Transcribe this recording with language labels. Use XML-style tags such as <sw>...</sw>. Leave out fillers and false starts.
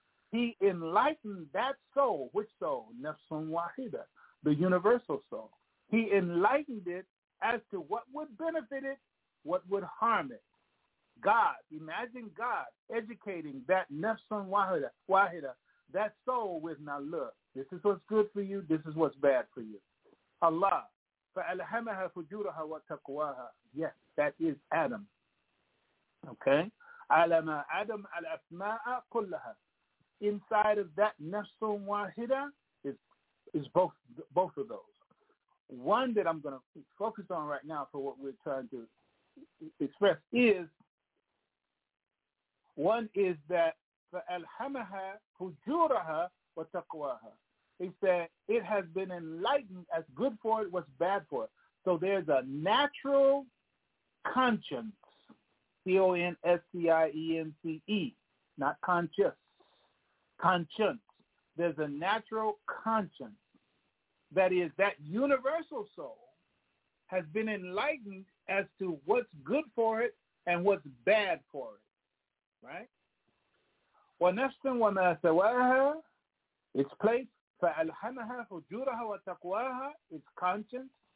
<en>He enlightened that soul, which soul? Nafsun Wahida, the universal soul. He enlightened it as to what would benefit it, what would harm it. God, imagine God educating that Nafsun Wahida, that soul with, now look, this is what's good for you, this is what's bad for you.</en> <ar>Allah, فَأَلْحَمَهَا فُجُورَهَا وَتَقْوَاهَا.</ar> <en>Yes, that is Adam. Okay?</en> <ar>عَلَمَا Adam الْأَسْمَاءَ كُلَّهَا.</ar> <en>Inside of that Nafsun Wahida is both of those. One that I'm going to focus on right now for what we're trying to express is, one is that</en> <ar>فَأَلْحَمَهَا فُجُورَهَا وَتَقْوَاهَا.</ar> <en>He said it has been enlightened as good for it, what's bad for it. So there's a natural conscience, C-O-N-S-C-I-E-N-C-E, not conscious, conscience. There's a natural conscience. That is, that universal soul has been enlightened as to what's good for it and what's bad for it, right?</en> <ar>وَنَفْسٍ وَمَا سَوَاهَا,</ar> <en>its place,</en> <ar>فَأَلْحَمَهَا فُجُورَهَا وَتَقْوَاهَا,</ar> <en>its conscience.</en>